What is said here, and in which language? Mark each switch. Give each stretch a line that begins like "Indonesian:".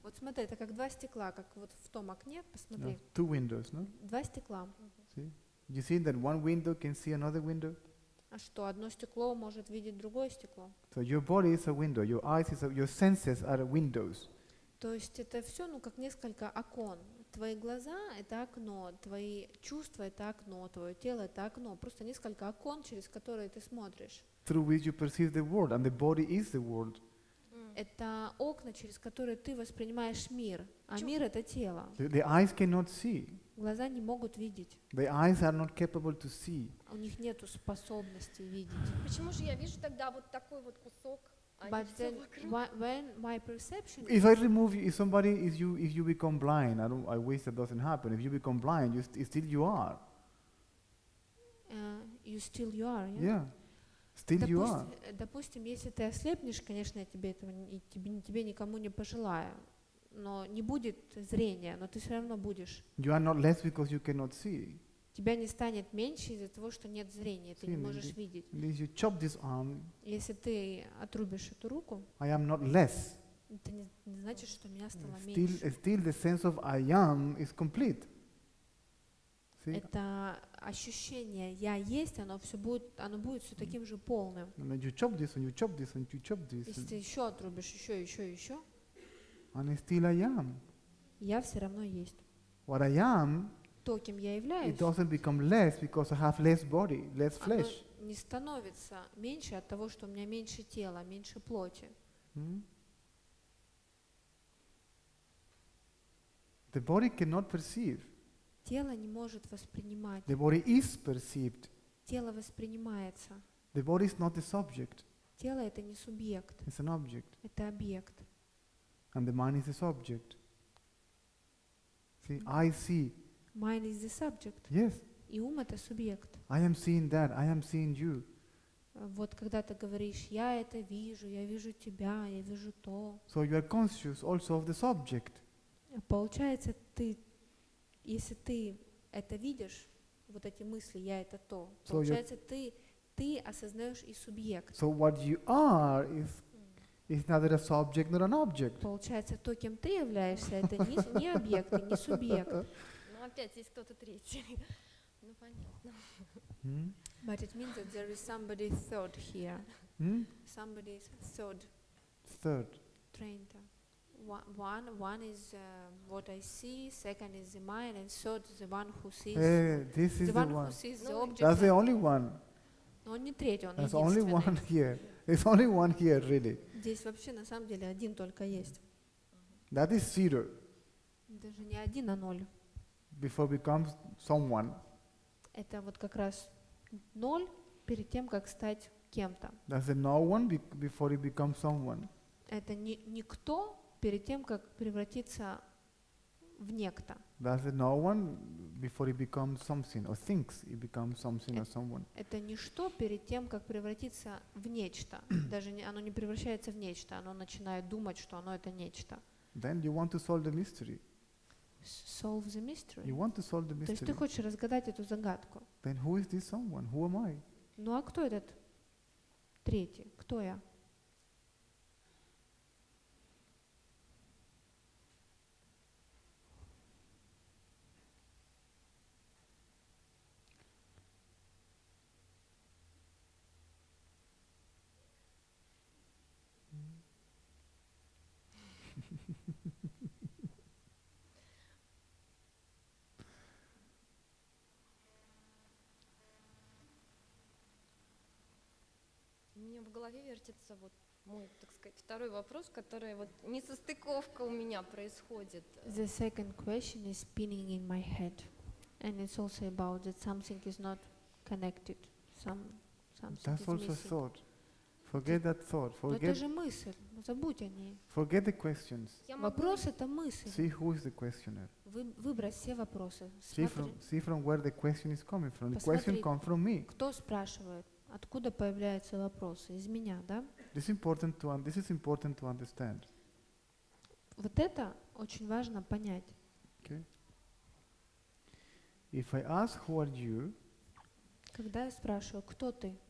Russian: Вот смотри, это как два стекла, как вот в том окне, посмотри.
English: No, two windows, no?
Russian: Два стекла.
English: See? You see that one window can see another window?
Russian: А что, одно стекло может видеть другое стекло?
English: So your body is a window, your eyes is a, your senses are windows.
Russian: То есть это все, ну, как несколько окон. Твои глаза — это окно, твои чувства — это окно, твое тело — это окно. Просто несколько окон, через которые ты смотришь.
English: Through which you perceive the world, and the body is the world.
Russian: Это окна, через которые ты воспринимаешь мир, а мир — это тело.
English: The eyes cannot see.
Russian: Глаза не могут видеть.
English: The eyes are not capable to see.
Russian: У них нету способности видеть. Почему же я вижу тогда вот такой вот кусок?
English: But then, when my perception. If I remove you, if you become blind, I wish that doesn't happen. If you become blind, still you are. You still you are. Yeah. Yeah. Still you are.
Russian: Допустим, если ты ослепнешь, конечно, я тебе этого тебе никому не пожелаю, но не будет зрения, но ты все равно будешь.
English: You are not less because you cannot see.
Russian: Тебя не станет меньше из-за того, что нет зрения, ты не можешь видеть.
English: If you chop this arm,
Russian: если ты отрубишь эту руку,
English: I am not less.
Russian: Это не значит, что меня стало меньше.
English: Still the sense of I am is complete. See?
Russian: Это ощущение «я есть», оно будет все таким же полным.
English: And you chop this, and you chop this, and you chop this.
Russian: Если ты еще отрубишь, еще.
English: And still I am.
Russian: Я все равно есть.
English: What I am,
Russian: то, кем я являюсь,
English: it doesn't become less because I have less body, less flesh.
Russian: Оно не становится меньше от того, что у меня меньше тела, меньше плоти.
English: The body cannot perceive.
Russian: Тело не может воспринимать.
English: The body is perceived.
Russian: Тело воспринимается.
English: The body is not the subject.
Russian: Тело — это не субъект.
English: It's an object.
Russian: Это объект.
English: And the mind is the subject. See, I see. Mind is the subject. Yes.
Russian: И ум — это субъект.
English: I am seeing that. I am seeing you.
Russian: Вот когда ты говоришь, я это вижу, я вижу тебя, я вижу то.
English: So you are conscious also of the subject.
Russian: Получается, ты, если ты это видишь, вот эти мысли, я это то,
English: so
Russian: получается, ты осознаешь и субъект.
English: So what you are is neither a subject nor an object.
Russian: Получается, то, кем ты являешься, это не объект, не субъект. Ну опять есть кто-то третий. Ну понятно.
English: But it means that there is somebody third here. Somebody is third. Third. Trainer. One is what I see, second is the mind, and third is the one who sees. Hey, this is the one. Who sees the object. That's the only one.
Russian: Но он не третий, он
English: единственный. Only one here. It's only one here, really.
Russian: Здесь вообще на самом деле один только есть.
English: That is zero.
Russian: Даже не один, а ноль.
English: Before becomes someone.
Russian: Это вот как раз ноль перед тем, как стать кем-то.
English: That's the no one before it becomes someone.
Russian: Это никто перед тем, как превратиться в некто.
English: That's the no one before it becomes something or thinks it becomes something or someone.
Russian: Это ничто перед тем, как превратиться в нечто. Даже оно не превращается в нечто, оно начинает думать, что оно это нечто.
English: Then you want to solve the mystery. Solve the mystery. You want to solve the mystery.
Russian: То есть ты хочешь разгадать эту загадку.
English: Then who is this someone? Who am I?
Russian: Ну а кто этот третий? Кто я? В голове вертится вот мой, так сказать, второй вопрос, который вот несостыковка у меня происходит.
English: The second question is spinning in my head, and it's also about that something is not connected. Something That's is missing. That's also thought. Forget that thought. Forget.
Russian: Это же мысль. Забудь о ней.
English: Forget the questions.
Russian: Вопрос — это мысль.
English: See who is the questioner.
Russian: Выбрось все вопросы.
English: See from where the question is coming from. The question comes from me.
Russian: Кто спрашивает? Откуда появляются вопросы? Из меня, да?
English: This is important to understand.
Russian: Вот это очень важно понять.
English: Okay. If I ask who are you,
Russian: когда я спрашиваю, кто ты?